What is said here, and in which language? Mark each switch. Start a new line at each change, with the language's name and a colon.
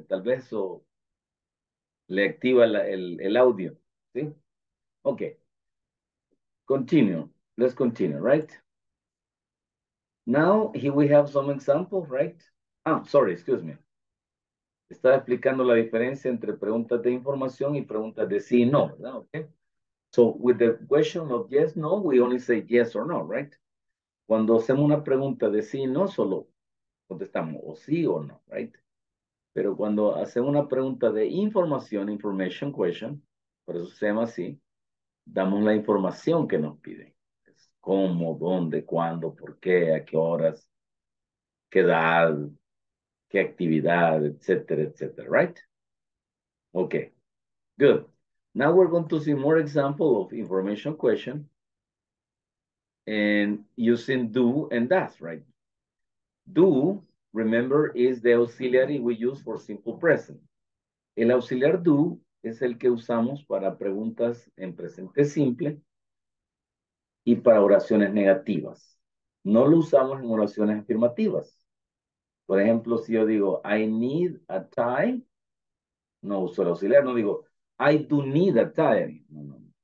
Spanish: Tal vez eso le activa el audio, ¿sí?
English: Ok. Continue. Let's continue, right? Now, here we have some examples, right? Ah, sorry, excuse me.
Spanish: Estaba explicando la diferencia entre preguntas de información y preguntas de sí y no, ¿verdad?
English: Okay. So, with the question of yes, no, we only say yes or no, right?
Spanish: Cuando hacemos una pregunta de sí y no, solo contestamos o sí o no, right? Pero cuando hacemos una pregunta de información,
English: information question,
Spanish: por eso se llama así, damos la información que nos piden. Es cómo, dónde, cuándo, por qué, a qué horas, qué edad, qué actividad, etcétera, etcétera, right?
English: Okay, good. Now we're going to see more examples of information question and using do and does, right? Do, remember, is the auxiliary we use for simple present.
Spanish: El auxiliar do es el que usamos para preguntas en presente simple y para oraciones negativas. No lo usamos en oraciones afirmativas. Por ejemplo, si yo digo,
English: I need a tie,
Spanish: no uso el auxiliar, no digo,
English: I do need a tie.
Spanish: No, no.